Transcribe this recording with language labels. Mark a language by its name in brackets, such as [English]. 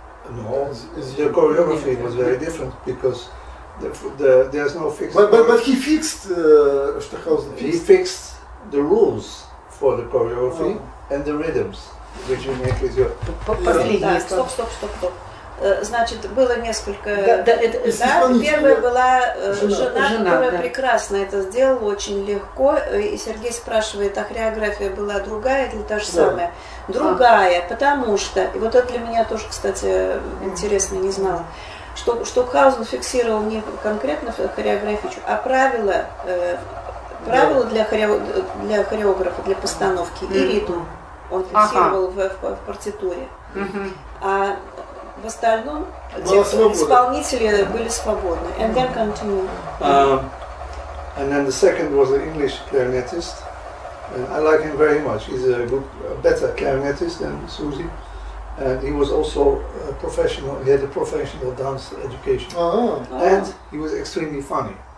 [English] No, the choreography was very different because there's no fixed. But he fixed Stockhausen. He fixed the rules for the choreography and the rhythms, which you make with your. Stop. [Russian] Значит, было несколько. Первая была жена, которая прекрасно это сделала, очень легко. И Сергей спрашивает, а хореография была другая или та же самая? Другая, потому что, и вот это для меня тоже, кстати, интересно, не знала, что Штокхаузен фиксировал не конкретно хореографию, а правила для хореографа, для постановки и ритм он фиксировал в партитуре. А в остальном исполнители были свободны. [English] And then continue. And then the second was an English clarinetist. And I like him very much. He's a better clarinetist than Susie. And he was also a professional. He had a professional dance education. Uh-huh. And he was extremely funny.